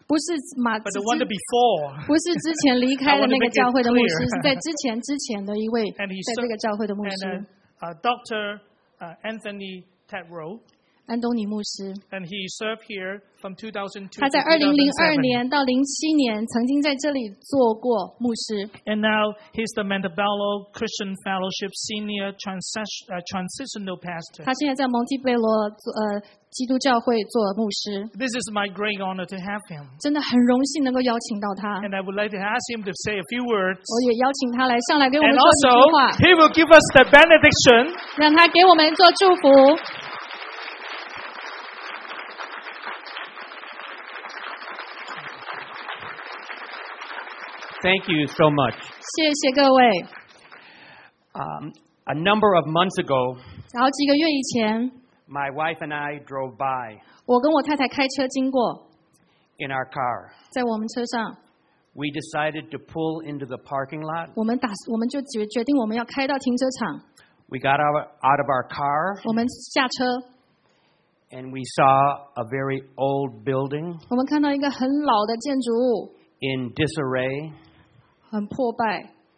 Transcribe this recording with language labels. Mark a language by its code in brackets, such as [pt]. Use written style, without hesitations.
[zh] 不是马，不是之前离开的那个教会的牧师，是在之前的一位，在这个教会的牧师。 [en] And Dr. Anthony Tetro, [zh] 安东尼牧师。 [en] And he served here from 2002. [zh] 他在2002年到07年曾经在这里做过牧师。 [en] And now he's the Montebello Christian Fellowship Senior Transitional Pastor. [zh] 他现在在蒙特贝罗做基督教会做牧师。 [en] This is my great honor to have him. [zh] 真的很荣幸能够邀请到他。 [en] And I would like to ask him to say a few words. [zh] 我也邀请他来上来给我们说几句话。 [en] And also, he will give us the benediction. [zh] 让他给我们做祝福。 [en] Thank you so much. [zh] 谢谢各位。 [en] A number of months ago. [zh] 好几个月以前。 [en] My wife and I drove by. [zh] 我跟我太太开车经过。 [en] In our car. [zh] 在我们车上。 [en] We decided to pull into the parking lot. [zh] 我们就决定我们要开到停车场。 [en] We got out of our car. [zh] 我们下车。 [en] And we saw a very old building. [zh] 我们看到一个很老的建筑物。 [en] In disarray. [zh] 很破败。